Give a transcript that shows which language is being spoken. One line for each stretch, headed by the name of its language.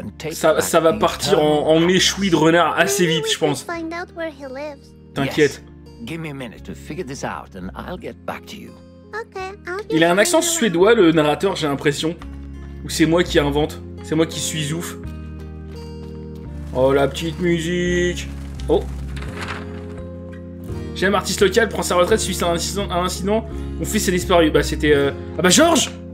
French: Ça va partir en méchoui de renard assez vite, je pense. T'inquiète.
English: Give me a minute to figure this out and I'll get back to you.
French: Il a un accent suédois, le narrateur, j'ai l'impression. Ou c'est moi qui invente. C'est moi qui suis ouf. Oh, la petite musique. Oh. J'aime artiste local, prend sa retraite suite à un incident. Mon fils est disparu. Bah, c'était... Ah bah, Georges.